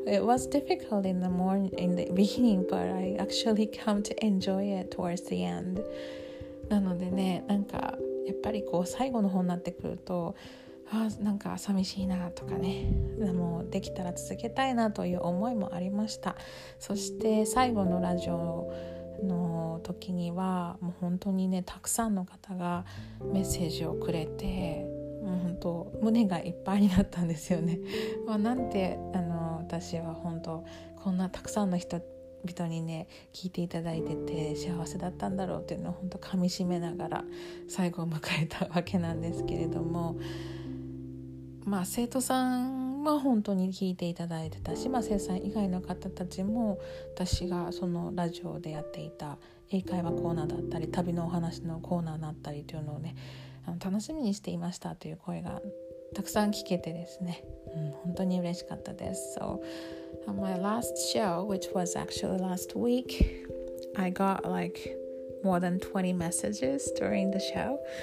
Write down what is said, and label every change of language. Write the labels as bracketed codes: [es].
[en] It was difficult in the beginning, but I actually come to enjoy it towards the end. [ja] なのでね、なんかやっぱりこう最後の方になってくると、あなんか寂しいなとかね、もうできたら続けたいなという思いもありました。そして最後のラジオの時にはもう本当にねたくさんの方がメッセージをくれて、もう本当胸がいっぱいになったんですよね。まあ、なんて私は本当こんなたくさんの人人にね聞いていただいてて幸せだったんだろうっていうのを本当かみしめながら最後を迎えたわけなんですけれども、まあ生徒さんは本当に聞いていただいてたし、まあ、生徒さん以外の方たちも私がそのラジオでやっていた英会話コーナーだったり旅のお話のコーナーだったりというのをね楽しみにしていましたという声がたくさん聞けてですね、本当に嬉しかったです。 [en] So, on my last show, which was actually last week, I got like more than 20 messages during the show.